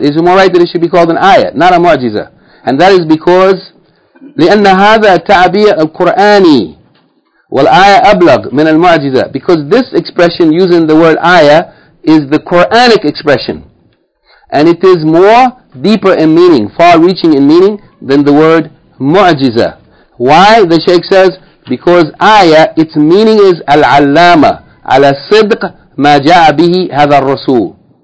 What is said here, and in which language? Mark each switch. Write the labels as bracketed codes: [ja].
[en] It is more right that it should be called an ayah, not a mu'jiza. And that is because [ar] لِأَنَّ هَذَا تَعْبِيَ الْقُرْآنِ والآية أبلغ من المعجزة. [en] Because this expression using the word ayah is the Quranic expression, and it is more deeper in meaning, far reaching in meaning, than the word mu'jiza. Why? The Shaykh says, because ayah, its meaning is al-allama ala sidq ma ja'a bihi hadha ar-rasul.